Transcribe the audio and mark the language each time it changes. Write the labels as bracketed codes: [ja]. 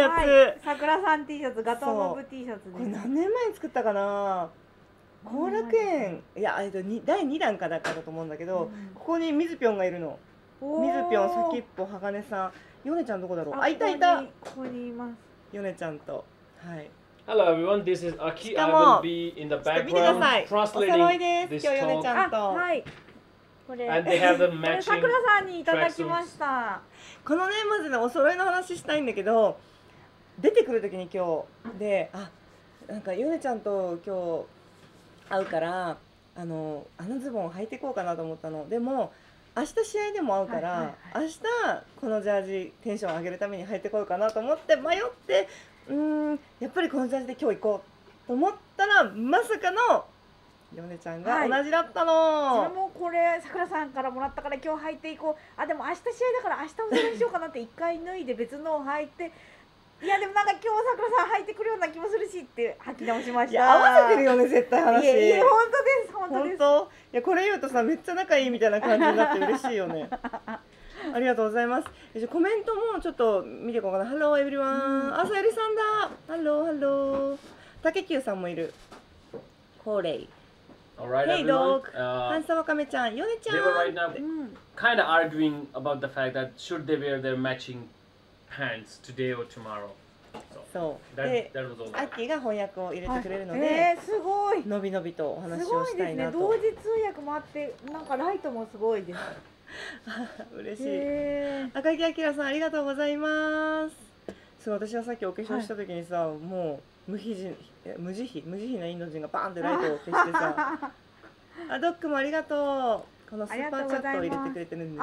[ja] はい、桜さん T シャツ、ガトーモブ T シャツです。これ何年前に作ったかな、後楽園、いや第2弾かだったと思うんだけど、うん、ここにミズピョンがいるの。ミズピョン、先っぽ、鋼さん、ヨネちゃんどこだろう。あ、いたいた、ここにいます。ヨネちゃんと、はい。 [en] Hello everyone, this is Aki. I will be in the background translating this talk. [ja] 今日ヨネちゃんと、はい、これさくらさんにいただきました。このね、まずねお揃いの話したいんだけど、出てくる時に今日で、あ、なんかヨネちゃんと今日会うから、あのズボン履いていこうかなと思ったの。でも明日試合でも会うから、はいはいはい、明日このジャージテンション上げるために履いてこようかなと思って迷って、うーん、やっぱりこのジャージで今日行こうと思ったら、まさかのヨネちゃんが同じだったの、はい、それもこれさくらさんからもらったから今日履いていこう、あ、でも明日試合だから明日お揃いにしようかなって一回脱いで別のを履いて、いやでもなんか今日さくらさん履いてくるような気もするしって履き直しました。いや合わせてるよね絶対話。いや、いや本当です、本当です。いやこれ言うとさ、めっちゃ仲いいみたいな感じになって嬉しいよね。ありがとうございます。コメントもちょっと見ていこうかな。ハローエブリワン、あ、さゆりさんだ、ハローハロー、たけきゅうさんもいる、コーレイ、 [en] Alright, hey dog. Hansa Wakame-chan, Yone-chan. They were right now kind of arguing about the fact that should they wear their matching pants today or tomorrow. So, that was all right. [ja] Aki が翻訳を入れてくれるので、すごい。のびのびとお話をしたいなと。すごいですね。同時通訳もあって、なんかライトもすごいです。嬉しい。赤木明さん、ありがとうございます。そう、私はさっきお化粧した時にさ、もう無慈悲なインド人がバーンってライトを消してさ、あ、ドックもありがとう、このスーパーチャットを入れてくれてるんです。